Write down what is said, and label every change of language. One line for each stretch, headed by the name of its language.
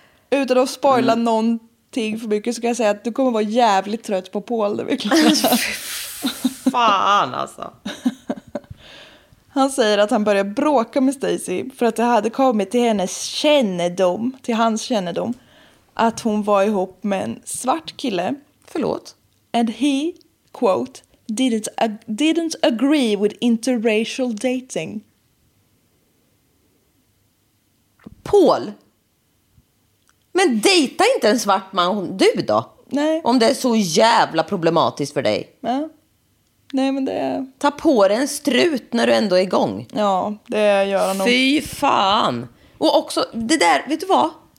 Swedish: Utan att spoila någonting för mycket så kan jag säga att du kommer vara jävligt trött på Paul. Fy fan alltså. Han säger att han började bråka med Stacy för att det hade kommit till hennes kännedom, till hans kännedom, att hon var ihop med en svart kille. Förlåt.
English: And he, quote, didn't agree with interracial dating. Paul!
Swedish: Men dejta inte en svart man, du då? Nej. Om det är så jävla problematiskt för dig. Ja. Nej, men det är... Ta på dig en strut när du ändå är igång. Ja, det gör han nog. Fy fan! Och också, det där, vet du vad?